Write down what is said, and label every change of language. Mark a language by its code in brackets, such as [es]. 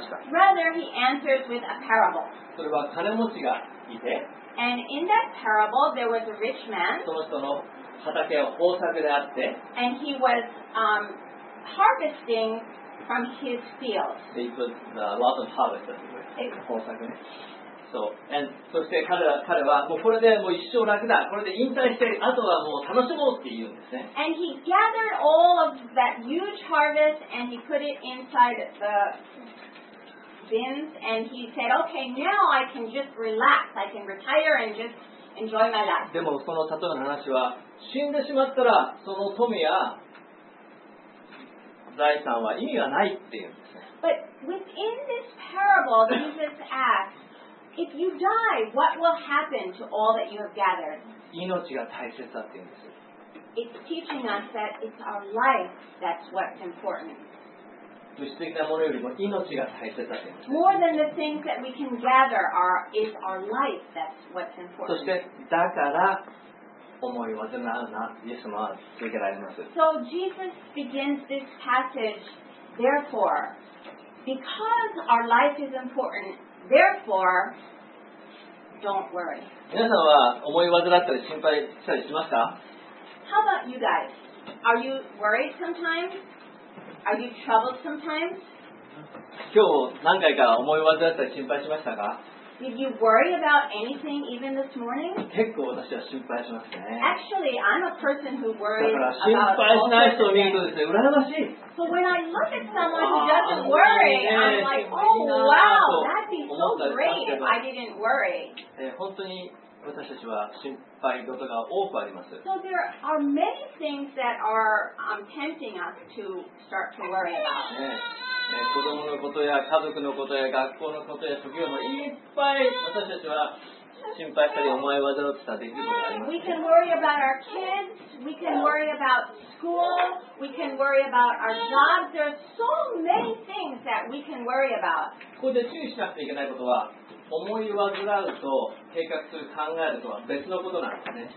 [en] Rather, he answers with a parable. [ja] それは金持ちがいて、 [en] and in that parable, there was a rich man, [ja] その人の畑は豊作であって、 [en] and he was, harvesting from his field. He was a lot of harvest, anyway. [ja] 豊作ね。そう。 And, そして彼はもうこれでもう一生楽だ。これで引退して、あとはもう楽しもうって言うんですね。 [en] And he gathered all of that huge harvest and he put it inside the... And he said, okay, now I can just relax. I can retire and just enjoy my life. [ja] でもその例の話は死んでしまったらその富や財産は意味がないっていうんですね。 [en] But within this parable, Jesus asks, if you die, what will happen to all that you have gathered? [ja] 命が大切だっていうんです。 [en] It's teaching us that it's our life that's what's important. [ja] 物質的なものよりも命が大切だと。 [en] More than the things that we can gather are is our life. That's what's important. [ja] そしてだから思い煩うな、イエス様は続けられます。 [en] So Jesus begins this passage. Therefore, because our life is important, therefore, don't worry. [ja] 皆さんは思い煩ったり心配したりしますか [en] ？How about you guys? Are you worried sometimes? Are you troubled sometimes? [ja] 今日何回か思い煩ったり心配しましたか [en] Did you worry about anything even this morning? [ja] 結構私は心配しますね。 [en] Actually, I'm a person who worries about all things. [ja] だから心配しない人を見るとですね、羨ましい。 [en] So when I look at someone who doesn't worry, I'm like, oh wow, that'd be so great if I didn't worry. [ja] 本当に私たちは心配事が多くあります。 [en] So there are many things that are tempting us to start to worry about. [ja] 子供のことや家族のことや学校のことや職業のいっぱい私たちは心配したり思い煩ったりできることがあります。 [en] We can worry about our kids. We can worry about school. We can worry about our jobs. There are so many things that we can worry about. [ja] ここで注意しなくてはいけないことは思い煩うと計画する考えるとは別のことなんですね。